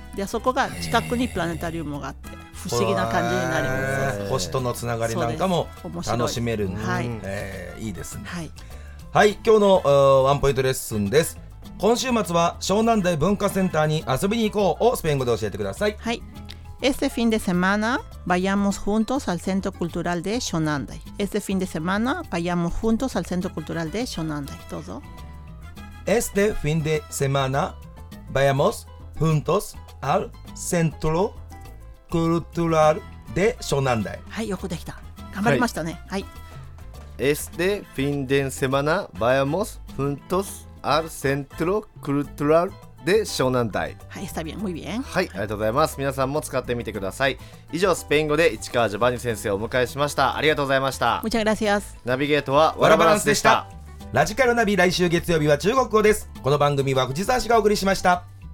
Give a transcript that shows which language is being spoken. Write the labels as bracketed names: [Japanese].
[Japanese] でそこが近くにプラネタリウムがあって不思議な感じになります。星とのつながりなんかも楽しめるんで、はい、いいですね。はい、はい、今日のワンポイントレッスンです。今週末は湘南台文化センターに遊びに行こうをスペイン語で教えてください。 [Spanish] はい、Este fin de semana vayamos juntos al Centro Cultural de Xionnan Dai. Este fin de semana vayamos juntos al Centro Cultural de Xionnan Dai. [Japanese] どうぞ。 [Spanish] Este fin de semana vayamos juntos al Centro Cultural de Xionnan Dai. [Japanese] はい、よくできた。頑張りましたね。はい。 [Spanish] Este fin de semana vayamos juntos al Centro Cultural de Xionnan Dai. はい、está bien, muy bien. [Japanese] はい、ありがとうございます。皆さんも使ってみてください。以上、スペイン語で市川ジョバンニ先生をお迎えしました。ありがとうございました。 [Spanish] Muchas gracias. [Japanese] ナビゲートはワラバランスでした。ラジカルナビ、来週月曜日は中国語です。この番組は藤沢氏がお送りしました。